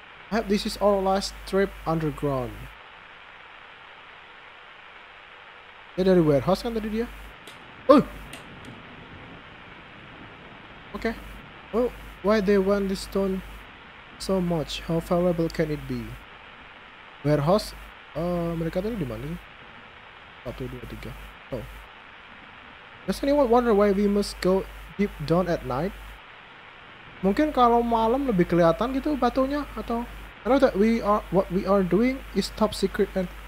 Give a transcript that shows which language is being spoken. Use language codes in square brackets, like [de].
[en] I hope this is our last trip underground. [id] Dia dari warehouse kan tadi dia. [en] Oke. Okay. Why they want this stone? so much. How fallible can it be? Warehouse? [id] Mereka tadi di mana sih? [en] 1, 2, 3. Oh. Does anyone wonder why we must go deep down at night? [id] Mungkin kalau malam lebih kelihatan gitu batunya atau? [en] I know that what we are doing is top secret and.